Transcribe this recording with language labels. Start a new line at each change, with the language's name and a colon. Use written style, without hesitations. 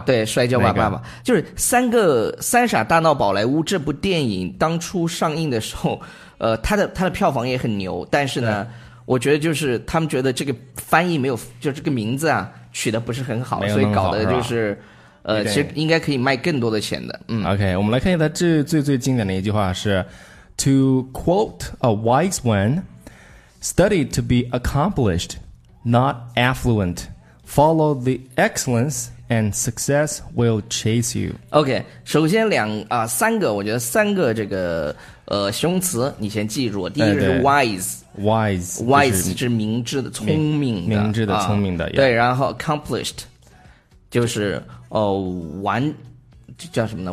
Chinese: 对，摔跤吧爸爸，就是三傻大闹宝莱坞这部电影当初上映的时候，他的票房也很牛，但是呢。我觉得就是他们觉得这个翻译没有，就这个名字啊取得不是很好，所以搞的就是其实应该可以卖更多的钱的。嗯
English: ，OK，
Chinese: 我们来看一下这最最经典的一句话是
English: ：To quote a wise one, study to be accomplished, not affluent. Follow the excellence, and success will chase you.
Chinese: OK， 首先三个，我觉得三个这个形容词你先记住，第一个是 wise。
English: Wise
Chinese: 就是明智的、聪明明智的、聪明的。对，然后 accomplished 就是完，叫什么呢？